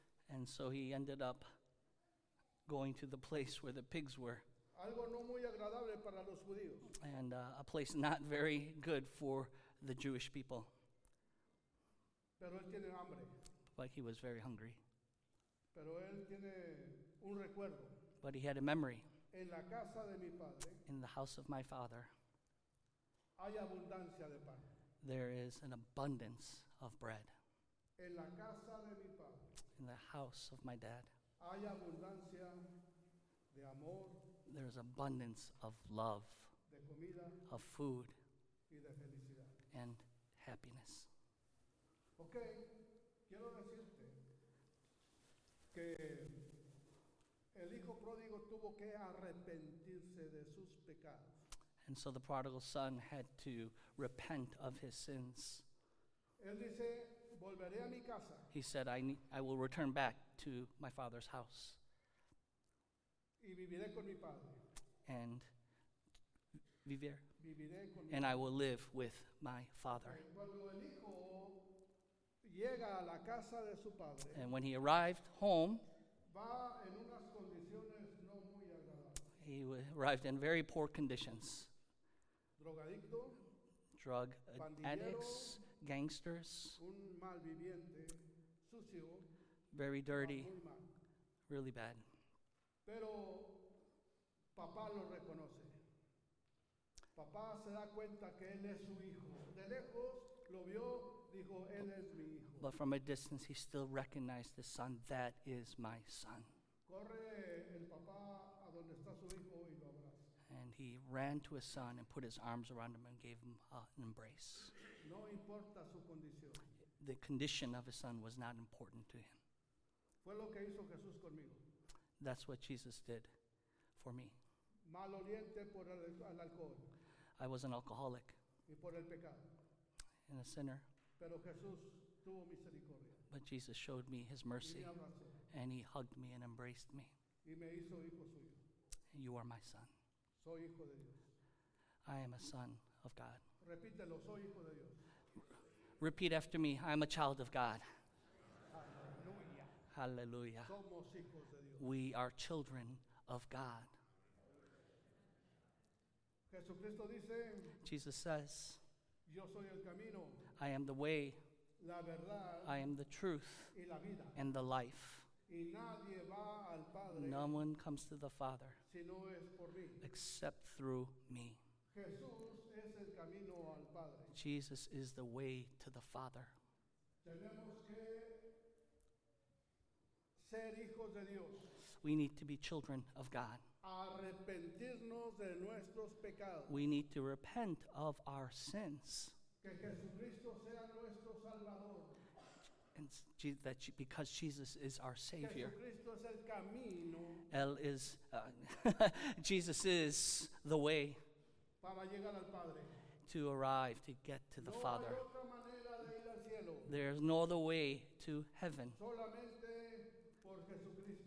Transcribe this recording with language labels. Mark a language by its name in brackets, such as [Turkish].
[English] And so he ended up going to the place where the pigs were. [Spanish] Algo no muy agradable para los judíos. [English] And a place not very good for the Jewish people. [Spanish] Pero él tiene hambre. [English] But he was very hungry. [Spanish] Pero él tiene un recuerdo. [English] But he had a memory. [Spanish] En la casa de mi padre, [English] in the house of my father, [Spanish] hay abundancia de pan. [English] There is an abundance of bread. [Spanish] En la casa de mi padre, [English] in the house of my dad, [Spanish] hay abundancia de amor, [English] there is abundance of love, [Spanish] de comida, [English] of food, [Spanish] y de felicidad, [English] and happiness. [Spanish] Okay, quiero decirte que el hijo pródigo tuvo que arrepentirse de sus pecados. [English] And so the prodigal son had to repent of his sins. [Spanish] Él dice, volveré a mi casa. [English] He said, I will return back to my father's house. [Spanish] Y viviré con mi padre. [English] And vivir. [Spanish] Viviré con [English] and mi I will live with my father. [Spanish] Cuando el hijo llega a la casa de su padre, [English] and when he arrived home, [Spanish] va en unas condiciones no muy agradables. [English] He arrived in very poor conditions. [Spanish] Drogadicto, [English] drug addicts, gangsters, [Spanish] un mal viviente, sucio, [English] very dirty, [Spanish] mal. [English] Really bad. [Spanish] Pero papá lo reconoce. Papá se da cuenta que él es su hijo. De lejos lo vio, dijo, él es mi hijo. [English] But from a distance, he still recognized his son. That is my son. [Spanish] Corre el papá a donde está su hijo y lo abraza. [English] And he ran to his son and put his arms around him and gave him an embrace. [Spanish] No importa su condición. [English] The condition of his son was not important to him. [Spanish] Fue lo que hizo Jesús conmigo. [English] That's what Jesus did for me. [Spanish] Maloliente por el alcohol. [English] I was an alcoholic. [Spanish] Y por el pecado. [English] And a sinner. [Spanish] Pero Jesús tuvo misericordia. [English] But Jesus showed me his mercy. [Spanish] Y me abrazó. [English] And he hugged me and embraced me. [Spanish] Y me hizo hijo suyo. [English] You are my son. [Spanish] Soy hijo de Dios. [English] I am a son of God. [Spanish] Repítelo, soy hijo de Dios. [English] Repeat after me, I am a child of God. Hallelujah. Hallelujah. [Spanish] Somos hijos de Dios. [English] We are children of God. [Spanish] Jesucristo dice, [English] Jesus says, [Spanish] yo soy el camino, [English] I am the way, [Spanish] la verdad, [English] I am the truth, [Spanish] y la vida, [English] and the life. [Spanish] Y nadie va al Padre, [English] no one comes to the Father [Spanish] si no es por mí, [English] except through me. [Spanish] Jesús es el camino al Padre. [English] Jesus is the way to the Father. [Spanish] Tenemos que ser hijos de Dios. [English] We need to be children of God. [Spanish] Arrepentirnos de nuestros pecados. [English] We need to repent of our sins. [Spanish] Que Jesucristo sea nuestro Salvador. [English] And that because Jesus is our Savior. [Spanish] Jesucristo es el camino. [English] El is, Jesus is the way [Spanish] para llegar al Padre. [English] To arrive, to get to the no Father. [Spanish] Hay otra manera de ir al cielo. [English] There's no other way to heaven. [Spanish] Solamente por Jesucristo.